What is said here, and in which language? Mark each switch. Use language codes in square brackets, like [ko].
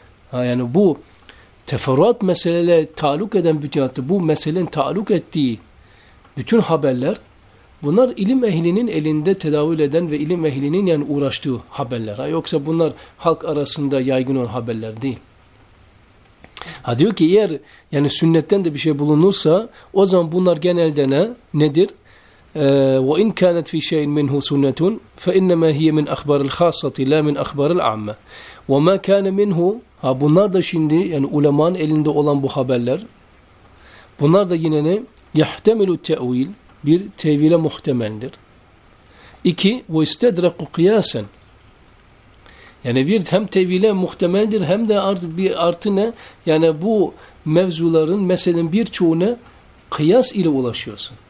[tr] Ha yani bu teferruat meseleyle taluk eden bütün hatta bu meselenin taluk ettiği bütün haberler. Bunlar ilim ehlinin elinde tedavül eden ve ilim ehlinin yani uğraştığı haberler. Ha, yoksa bunlar halk arasında yaygın olan haberler değil. Ha diyor ki eğer yani sünnetten de bir şey bulunursa o zaman bunlar genelde ne? Nedir? [ar] وَاِنْ كَانَتْ فِي شَيْءٍ مِنْهُ سُنَّةٌ فَاِنَّمَا هِيَ مِنْ اَخْبَارِ الْخَاسَةِ لَا مِنْ اَخْبَارِ الْعَامَّةِ وَمَا كَانَ مِنْهُ [tr] Ha bunlar da şimdi yani ulemanın elinde olan bu haberler. Bunlar da yine ne? [ar] يَحْتَمِلُ التَّعْوِيل [tr] Bir, tevhile muhtemeldir. İki, ve istedreku kıyasen. Yani bir, hem tevhile muhtemeldir, hem de artı ne? Yani bu mevzuların, meselenin birçoğuna kıyas ile ulaşıyorsun.